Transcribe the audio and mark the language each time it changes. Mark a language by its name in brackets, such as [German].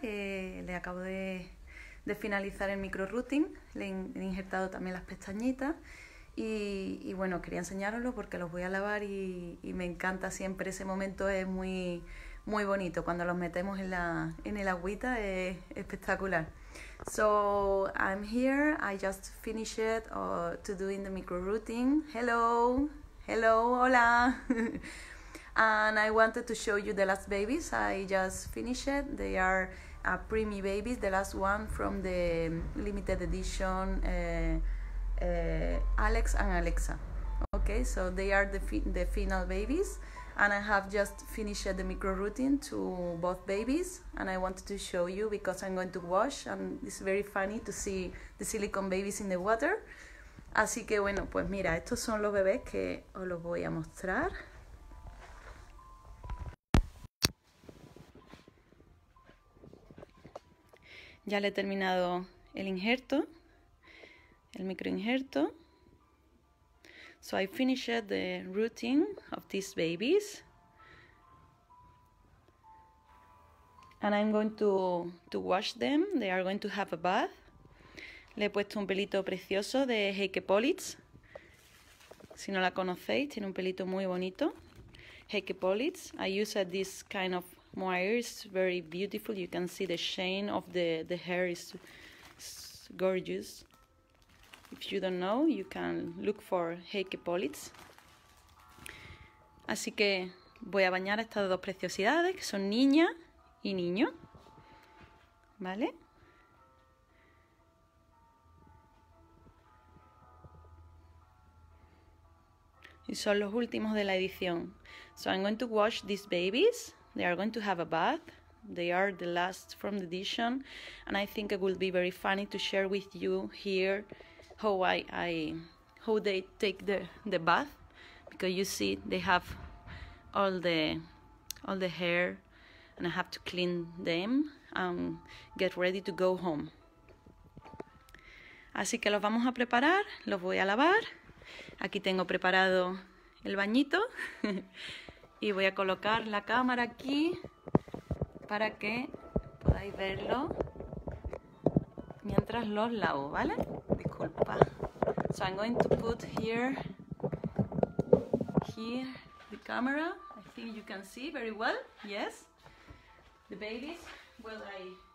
[Spanish] Le acabo de finalizar el micro routing. Le he injertado también las pestañitas. Y bueno, quería enseñároslo porque los voy a lavar y me encanta siempre ese momento. Es muy, muy bonito cuando los metemos en el agüita. Es espectacular. [English] So I'm here. I just finished to doing the micro routing. Hello, hello, hola. And I wanted to show you the last babies. I just finished it. They are a preemie babies, the last one from the limited edition Alex and Alexa. Okay, so they are the final babies, and I have just finished the micro routine to both babies, and I wanted to show you because I'm going to wash, and it's very funny to see the silicone babies in the water. [Spanish] Así que bueno, pues mira, estos son los bebés que os los voy a mostrar. Ya le he terminado el injerto, el microinjerto. [English] So I finished the rooting of these babies. And I'm going to wash them. They are going to have a bath. [Spanish] Le he puesto un pelito precioso de Heike Politz. Si no la conocéis, tiene un pelito muy bonito. [English] Heike Politz. I use this kind of mohair. It's very beautiful. You can see the shine of the hair is gorgeous. If you don't know, you can look for Heike Politz. [Spanish] Así que voy a bañar a estas dos preciosidades, que son niña y niño. ¿Vale? Y son los últimos de la edición. [English] So I'm going to wash these babies. They are going to have a bath. They are the last from the edition. And I think it will be very funny to share with you here how how they take the bath, because you see they have all the hair, and I have to clean them and get ready to go home. [Spanish] Así que los vamos a preparar, los voy a lavar. Aquí tengo preparado el bañito y voy a colocar la cámara aquí para que podáis verlo mientras los lavo, ¿vale? Disculpa. [English] So I'm going to put here the camera. I think you can see very well. Yes. The babies. Well, I.